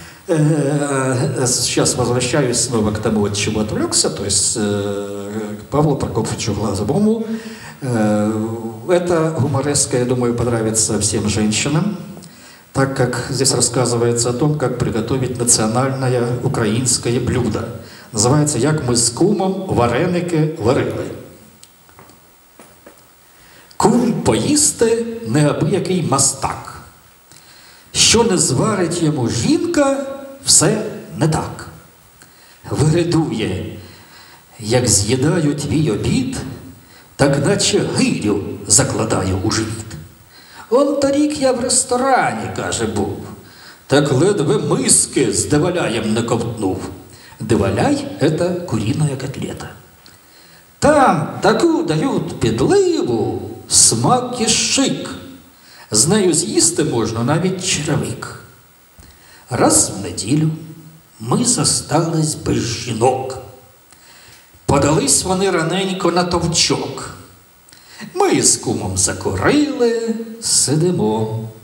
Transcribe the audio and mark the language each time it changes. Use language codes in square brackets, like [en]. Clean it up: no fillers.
[ru] Сейчас возвращаюсь снова к тому, от чего отвлекся, то есть к Павлу Прокофьевичу Глазовому. Это гумореска, я думаю, понравится всем женщинам, так как здесь рассказывается о том, как приготовить национальное украинское блюдо. Называется «Як ми з кумом вареники варили». [uk] Кум поїсти неабиякий мастак. Що не зварить йому жінка, все не так. Виридує, як з'їдаю твій обід, так наче гирю закладаю у живіт. Он та рік я в ресторані, каже, був, так ледве миски з диваляєм не ковтнув. [ru] Диваляй – это куриная котлета. [uk] Там таку дають підливу, смак і шик. З нею з'їсти можна навіть черевик. Раз в неділю ми зостались без жінок. Подались вони раненько на товчок. Ми з кумом закурили, сидимо.